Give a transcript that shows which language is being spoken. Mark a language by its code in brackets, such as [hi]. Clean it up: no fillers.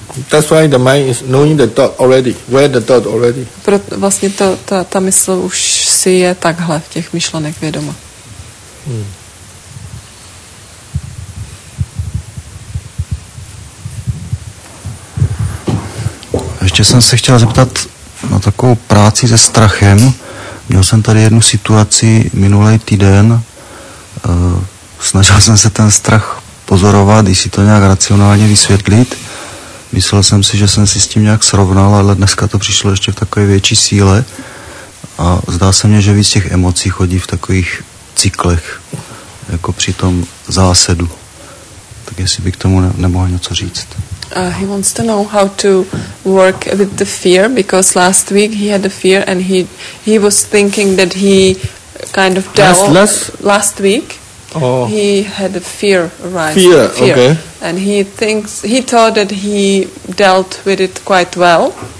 [en] That's why the mind is knowing the thought already, where the thought already. [cs] Proto vlastně ta mysl už si je takhle v těch myšlenek vědoma. Ještě jsem se chtěl zeptat na takovou práci se strachem. Měl jsem tady jednu situaci minulý týden. Snažil jsem se ten strach pozorovat, jestli to nějak racionálně vysvětlit. Myslel jsem si, že jsem si s tím nějak srovnal, ale dneska to přišlo ještě v takové větší síle. A zdá se mně, že víc těch emocí chodí v takových cyklech, jako při tom zásedu. Tak jestli bych k tomu nemohl něco říct. [en] He wants to know how to work with the fear, because last week he had a fear and he was thinking that he kind of dealt last week. Oh. He had a fear arise. Fear, okay. And he thought that he dealt with it quite well.